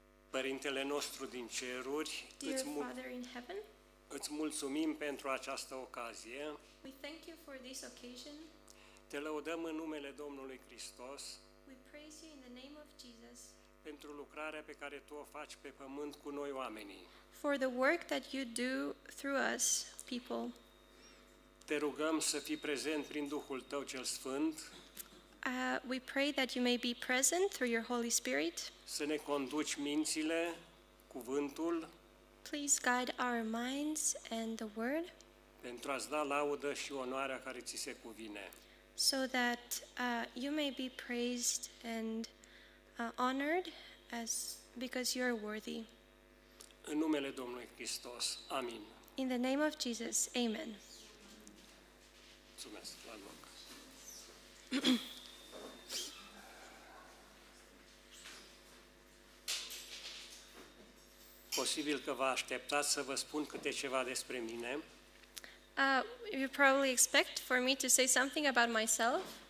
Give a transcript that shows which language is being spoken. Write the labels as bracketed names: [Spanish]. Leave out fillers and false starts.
[Romanian] Părintele nostru din ceruri, [English] dear Father in heaven, [Romanian] îți mulțumim pentru această ocazie. [English] We thank you for this occasion. [Romanian] Te lăudăm în numele Domnului Hristos. [English] We praise you in the name of Jesus. [Romanian] Pentru lucrarea pe care tu o faci pe pământ cu noi oamenii. [English] For the work that you do through us people. [Romanian] Te rugăm să fii prezent prin Duhul tău cel sfânt. [English] We pray that you may be present through your Holy Spirit. [Romanian] Să ne conduci mințile, cuvântul. [English] Please guide our minds and the word. [Romanian] Pentru a-ți da laudă și onoarea care ți se cuvine. [English] So that you may be praised and honored as because you are worthy. [Romanian] În numele Domnului Hristos. Amin. [English] In the name of Jesus. Amen. [Romanian] Mulțumesc. La loc. Posibil că vă așteptați să vă spun câte ceva despre mine. [English] You probably expect for me to say something about myself.